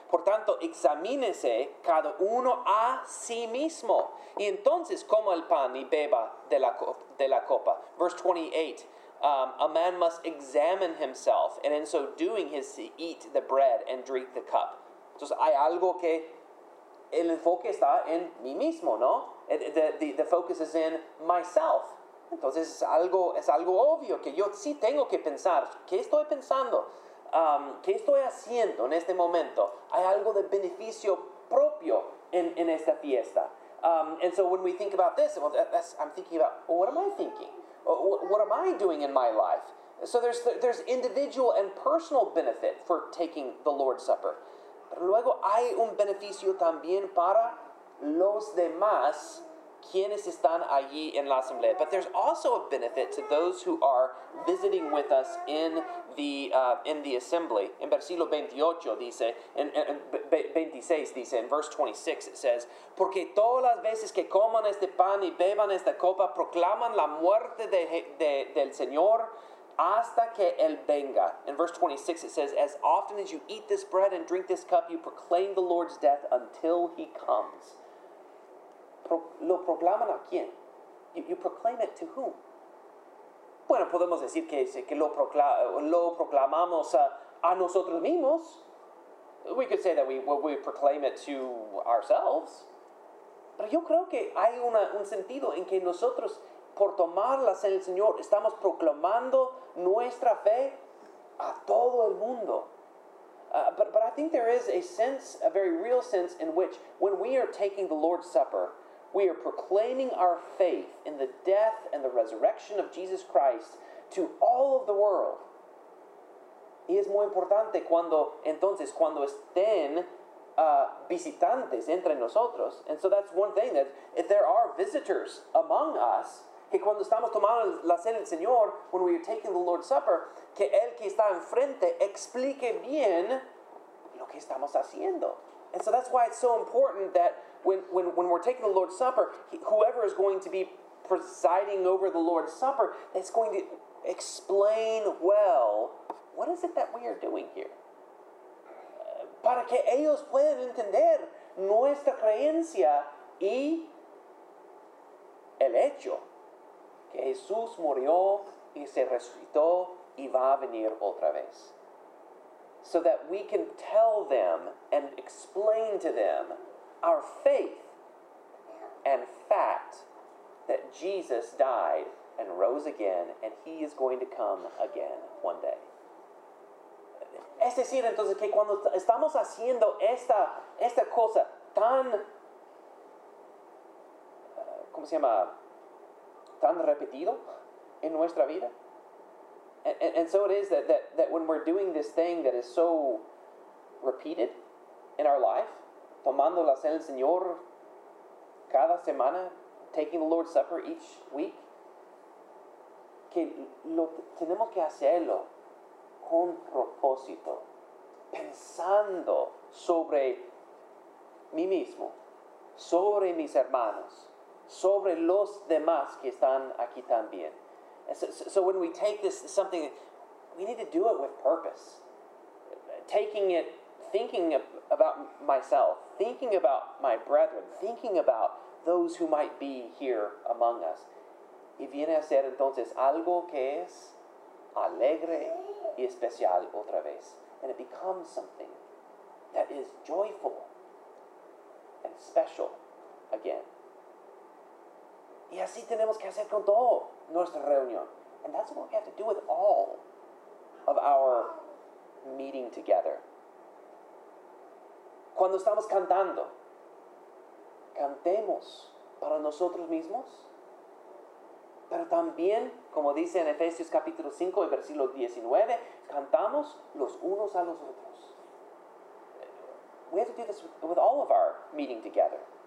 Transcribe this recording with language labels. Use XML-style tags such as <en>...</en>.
<es>Por tanto, examínese cada uno a sí mismo, y entonces coma el pan y beba de la copa.</es> <en>Verse 28, a man must examine himself, and in so doing his eat the bread and drink the cup.</en> <es>Entonces, hay algo que el enfoque está en mí mismo, ¿no?</es> <en>The focus is in myself.</en> <es>Entonces es algo obvio que yo sí tengo que pensar. ¿Qué estoy pensando? ¿Qué estoy haciendo en este momento? ¿Hay algo de beneficio propio en esta fiesta?</es> <en>And so when we think about this, well, that's, I'm thinking about, well, what am I thinking? What am I doing in my life? So there's individual and personal benefit for taking the Lord's Supper.</en> <es>Pero luego hay un beneficio también para los demás, quienes están allí en la asamblea.</es> <en>But there's also a benefit to those who are visiting with us in the assembly.</en> <es>En versículo 28 dice, en 26 dice, en</es> <en>verse 26 it says,</en> <es>porque todas las veces que coman este pan y beban esta copa, proclaman la muerte del Señor hasta que Él venga.</es> <en>In verse 26 it says, as often as you eat this bread and drink this cup, you proclaim the Lord's death until He comes.</en> <es>¿Lo proclaman a quién?</es> <en>You proclaim it to whom?</en> <es>Bueno, podemos decir que lo proclamamos a nosotros mismos.</es> <en>We could say that we proclaim it to ourselves.</en> <es>Pero yo creo que hay un sentido en que nosotros, por tomar la cena del Señor, estamos proclamando nuestra fe a todo el mundo.</es> <en>But I think there is a sense, a very real sense, in which when we are taking the Lord's Supper, we are proclaiming our faith in the death and the resurrection of Jesus Christ to all of the world.</en> <es>Y es muy importante cuando, entonces, cuando estén visitantes entre nosotros.</es> <en>And so that's one thing, that if there are visitors among us,</en> <es>que cuando estamos tomando la cena del Señor,</es> <en>when we are taking the Lord's Supper,</en> <es>que el que está enfrente explique bien lo que estamos haciendo.</es> <en>And so that's why it's so important that when we're taking the Lord's Supper, whoever is going to be presiding over the Lord's Supper, it's going to explain well, what is it that we are doing here?</en> <es>Para que ellos puedan entender nuestra creencia y el hecho que Jesús murió y se resucitó y va a venir otra vez.</es> <en>So that we can tell them and explain to them our faith and fact that Jesus died and rose again and he is going to come again one day.</en> <es>Es decir, entonces, que cuando estamos haciendo esta cosa tan, ¿cómo se llama?, tan repetido en nuestra vida.</es> <en>And so it is that when we're doing this thing that is so repeated in our life,</en> <es>tomando la cena del Señor cada semana,</es> <en>taking the Lord's Supper each week,</en> <es>que lo tenemos que hacerlo con propósito, pensando sobre mí mismo, sobre mis hermanos, sobre los demás que están aquí también.</es> <en>So when we take this something, we need to do it with purpose. Taking it, thinking about myself, thinking about my brethren, thinking about those who might be here among us.</en> <es>Y viene a ser entonces algo que es alegre y especial otra vez.</es> <en>And it becomes something that is joyful and special again.</en> <es>Y así tenemos que hacer con todo nuestra reunión.</es> <en>And that's what we have to do with all of our meeting together.</en> <es>Cuando estamos cantando, cantemos para nosotros mismos. Pero también, como dice en Efesios capítulo 5 y versículo 19, cantamos los unos a los otros.</es> <en>We have to do this with all of our meeting together.</en>